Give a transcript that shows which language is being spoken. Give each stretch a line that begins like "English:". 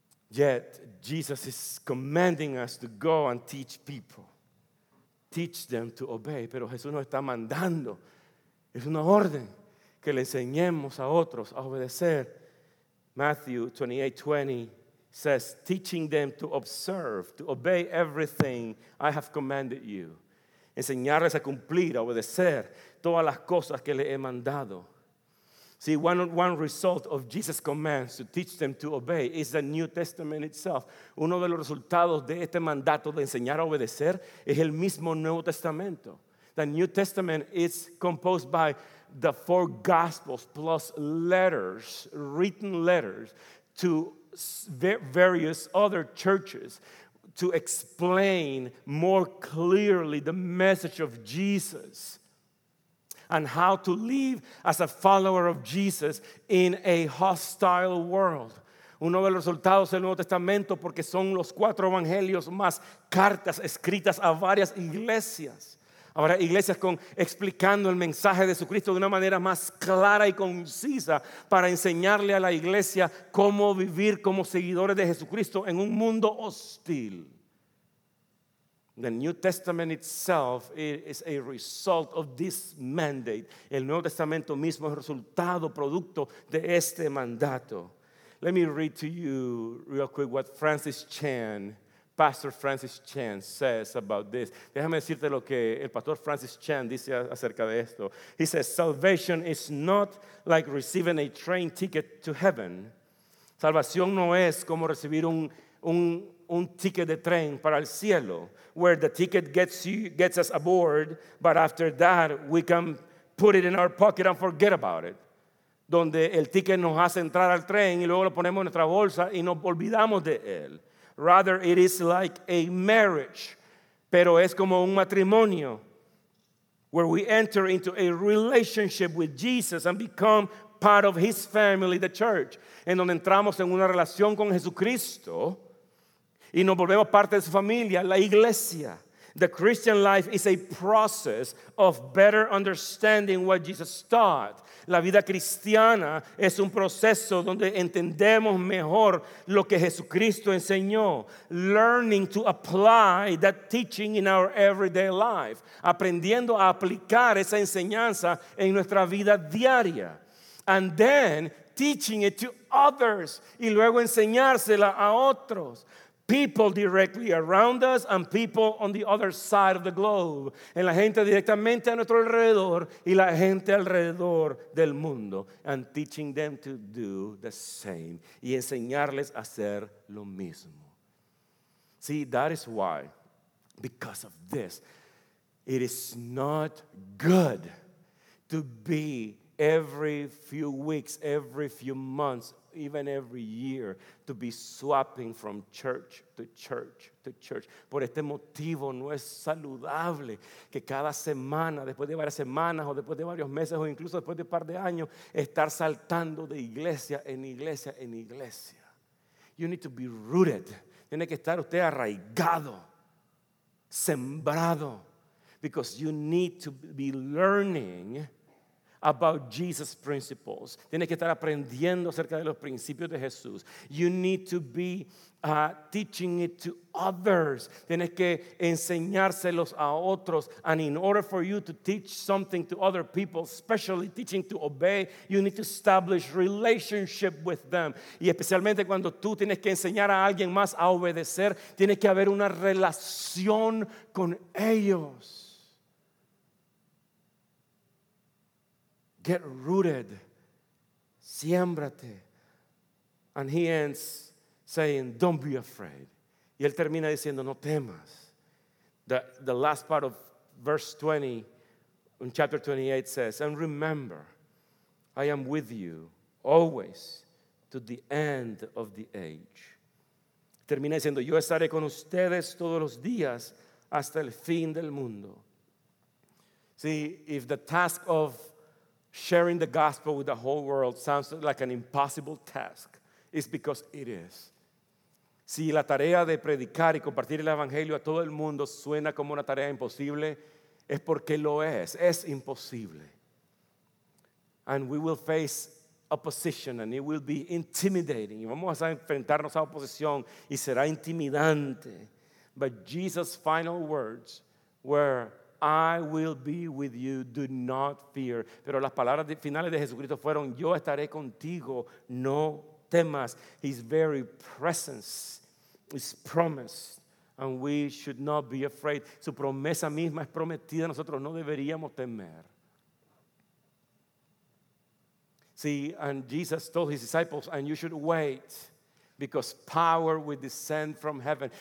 English: Yet, Jesus is commanding us to go and teach people. Teach them to obey.
Spanish: Pero Jesús nos está mandando. Es una orden que le enseñemos a otros a obedecer.
English: Matthew 28:20 says, teaching them to observe, to obey everything I have commanded you.
Spanish: Enseñarles a cumplir, a obedecer todas las cosas que le he mandado.
English: See, one result of Jesus' commands to teach them to obey is the New Testament itself.
Spanish: Uno de los resultados de este mandato de enseñar a obedecer es el mismo Nuevo Testamento.
English: The New Testament is composed by the four Gospels plus letters, written letters, to various other churches to explain more clearly the message of Jesus and how to live as a follower of Jesus in a hostile world.
Spanish: Uno de los resultados del Nuevo Testamento, porque son los cuatro evangelios más cartas escritas a varias iglesias. Ahora, iglesias con explicando el mensaje de Jesucristo de una manera más clara y concisa para enseñarle a la iglesia cómo vivir como seguidores de Jesucristo en un mundo hostil.
English: The New Testament itself is a result of this mandate.
Spanish: El Nuevo Testamento mismo es resultado, producto de este mandato.
English: Let me read to you real quick what Francis Chan, Pastor Francis Chan, says about this.
Spanish: Déjame decirte lo que el Pastor Francis Chan dice acerca de esto.
English: He says, salvation is not like receiving a train ticket to heaven.
Spanish: Salvación no es como recibir un ticket de tren para el cielo,
English: where the ticket gets us aboard, but after that we can put it in our pocket and forget about it.
Spanish: Donde el ticket nos hace entrar al tren y luego lo ponemos en nuestra bolsa y nos olvidamos de él.
English: Rather, it is like a marriage,
Spanish: pero es como un matrimonio,
English: where we enter into a relationship with Jesus and become part of his family, the church,
Spanish: en donde entramos en una relación con Jesucristo y nos volvemos parte de su familia, la iglesia.
English: The Christian life is a process of better understanding what Jesus taught.
Spanish: La vida cristiana es un proceso donde entendemos mejor lo que Jesucristo enseñó.
English: Learning to apply that teaching in our everyday life.
Spanish: Aprendiendo a aplicar esa enseñanza en nuestra vida diaria.
English: And then teaching it to others.
Spanish: Y luego enseñársela a otros.
English: People directly around us and people on the other side of the globe.
Spanish: En la gente directamente a nuestro alrededor y la gente alrededor del mundo.
English: And teaching them to do the same.
Spanish: Y enseñarles a hacer lo mismo.
English: See, that is why, because of this, it is not good to be every few weeks, every few months, even every year, to be swapping from church to church to church.
Spanish: Por este motivo no es saludable que cada semana, después de varias semanas o después de varios meses o incluso después de un par de años, estar saltando de iglesia en iglesia en iglesia.
English: You need to be rooted.
Spanish: Tiene que estar usted arraigado, sembrado,
English: because you need to be learning about Jesus' principles.
Spanish: Tienes que estar aprendiendo acerca de los principios de Jesús.
English: You need to be teaching it to others.
Spanish: Tienes que enseñárselos a otros.
English: And in order for you to teach something to other people, especially teaching to obey, you need to establish relationship with them.
Spanish: Y especialmente cuando tú tienes que enseñar a alguien más a obedecer, tiene que haber una relación con ellos.
English: Get rooted,
Spanish: siémbrate.
English: And he ends saying, don't be afraid.
Spanish: Y él termina diciendo, no temas.
English: The last part of verse 20, in chapter 28 says, and remember, I am with you always to the end of the age.
Spanish: Termina diciendo, yo estaré con ustedes todos los días hasta el fin del mundo.
English: See, if the task of sharing the gospel with the whole world sounds like an impossible task, it's because it is.
Spanish: Si la tarea de predicar y compartir el evangelio a todo el mundo suena como una tarea imposible, es porque lo es. Es imposible.
English: And we will face opposition and it will be intimidating.
Spanish: Y vamos a enfrentarnos a oposición y será intimidante.
English: But Jesus' final words were, I will be with you, do not fear.
Spanish: Pero las palabras finales de Jesucristo fueron, yo estaré contigo, no temas.
English: His very presence is promised, and we should not be afraid.
Spanish: Su promesa misma es prometida, nosotros no deberíamos temer.
English: See, and Jesus told his disciples, and you should wait, because power will descend from heaven.